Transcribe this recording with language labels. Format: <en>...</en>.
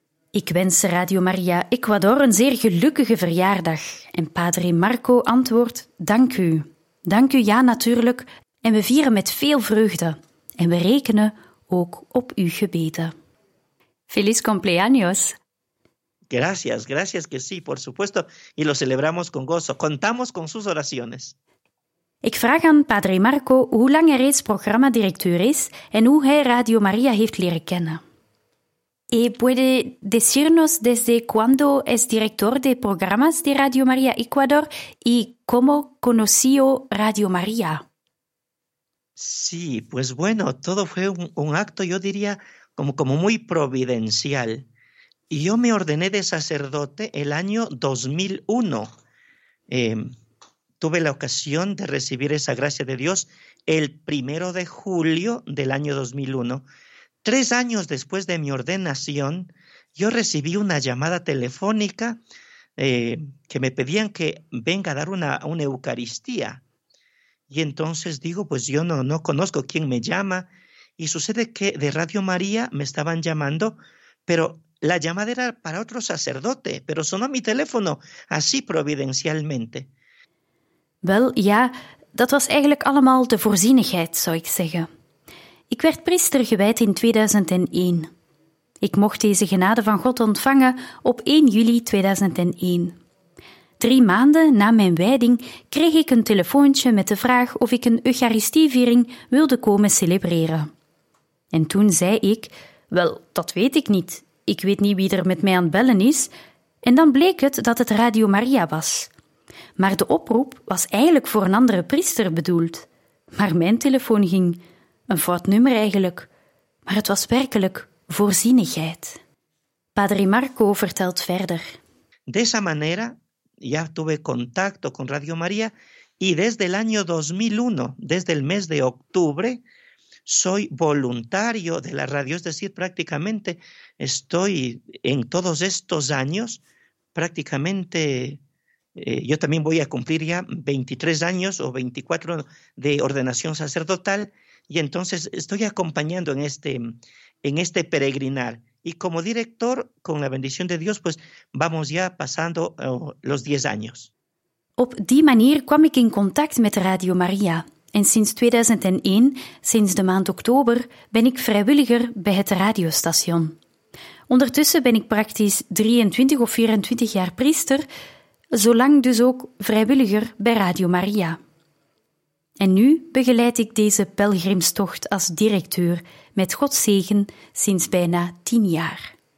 <nl>Ik wens Radio Maria Ecuador een zeer gelukkige verjaardag. En Padre Marco antwoordt, dank u. Dank u, ja, natuurlijk. En we vieren met veel vreugde. En we rekenen ook op uw gebeden.</nl> <es>Feliz cumpleaños. Gracias, gracias que sí, por supuesto, y lo celebramos con gozo. Contamos con sus oraciones.</es> <nl>Ik vraag aan Padre Marco hoe lang hij reeds programmadirecteur is en hoe hij Radio María heeft leren kennen.</nl> <es>¿Y puede decirnos desde cuándo es director de programas de Radio María Ecuador y cómo conoció Radio María? Sí, pues bueno, todo fue un acto, yo diría, como muy providencial. Y yo me ordené de sacerdote el año 2001. Tuve la ocasión de recibir esa gracia de Dios el primero de julio del año 2001. 3 años después de mi ordenación, yo recibí una llamada telefónica que me pedían que venga a dar una Eucaristía. Y entonces digo, pues yo no conozco quién me llama. Y sucede que de Radio María me estaban llamando, pero la llamada era para otro sacerdote, pero sonó mi teléfono, así providencialmente.</es> <nl>Wel, ja, dat was eigenlijk allemaal de voorzienigheid, zou ik zeggen. Ik werd priester gewijd in 2001. Ik mocht deze genade van God ontvangen op 1 juli 2001. 3 maanden na mijn wijding kreeg ik een telefoontje met de vraag of ik een eucharistieviering wilde komen celebreren. En toen zei ik, wel, dat weet ik niet. Ik weet niet wie er met mij aan het bellen is. En dan bleek het dat het Radio Maria was. Maar de oproep was eigenlijk voor een andere priester bedoeld. Maar mijn telefoon ging. Een fout nummer eigenlijk. Maar het was werkelijk voorzienigheid. Padre Marco vertelt verder.</nl> <es>De esa manera, ya tuve contacto con Radio María y desde el año 2001, desde el mes de octubre, soy voluntario de la radio. Es decir, prácticamente estoy en todos estos años, prácticamente... yo también voy a cumplir ya 23 años o 24 de ordenación sacerdotal y entonces estoy acompañando en este peregrinar. Y como director, con la bendición de Dios, pues vamos ya pasando los 10 años.</es> <nl>Op die manier kwam ik in contact met Radio María. En sinds 2001, sinds de maand oktober, ben ik vrijwilliger bij het radiostation. Ondertussen ben ik praktisch 23 of 24 jaar priester... Zolang dus ook vrijwilliger bij Radio Maria. En nu begeleid ik deze pelgrimstocht als directeur met Gods zegen sinds bijna 10 jaar.</nl>